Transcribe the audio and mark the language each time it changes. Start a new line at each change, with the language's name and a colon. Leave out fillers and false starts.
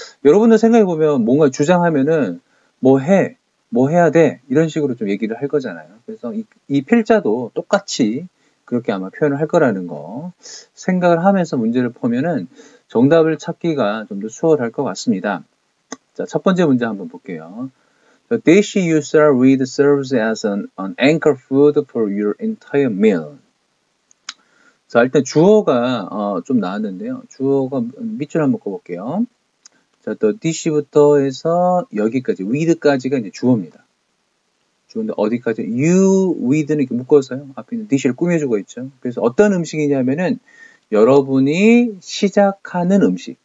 Korean: 여러분들 생각해 보면 뭔가 주장하면은 뭐 해, 뭐 해야 돼 이런 식으로 좀 얘기를 할 거잖아요. 그래서 이 필자도 똑같이 그렇게 아마 표현을 할 거라는 거 생각을 하면서 문제를 보면은 정답을 찾기가 좀더 수월할 것 같습니다. 자, 첫 번째 문제 한번 볼게요.
English: The dish you serve with serves as an anchor food for your entire meal.
Korean: 자, 일단 주어가 좀 나왔는데요. 주어가 밑줄 한번 꺼볼게요. 자, the dish 부터 해서 여기까지, with까지가 이제 주어입니다. 주어인데 어디까지? You with는 이렇게 묶어서요. 앞에 있는 dish를 꾸며주고 있죠. 그래서 어떤 음식이냐면은 여러분이 시작하는 음식.